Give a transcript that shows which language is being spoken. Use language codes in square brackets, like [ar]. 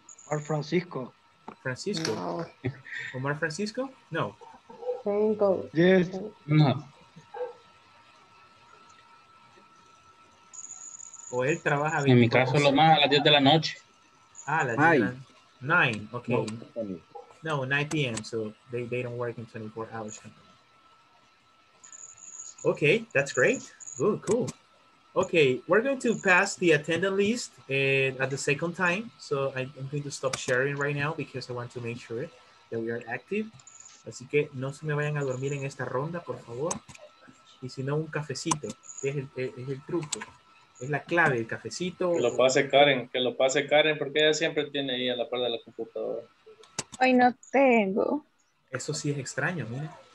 [es] Omar Francisco. Francisco. No. Omar Francisco? No. Tengo. [en] Yes. No. [es] O él trabaja 24/7. En mi caso, lo más a las 10 de la noche. Ah, la 9, okay. [en] No, 9 p.m., so they don't work in 24 hours. Okay, that's great. Good, cool. Okay, we're going to pass the attendance list at the second time. So I'm going to stop sharing right now because I want to make sure that we are active. [es] Así que no se me vayan a dormir en esta ronda, por favor. Y si no, un cafecito. Es el truco. Es la clave, el cafecito. Que lo pase Karen, porque ella siempre tiene ahí a la par de la computadora. Hoy no tengo. Eso sí es extraño, mira.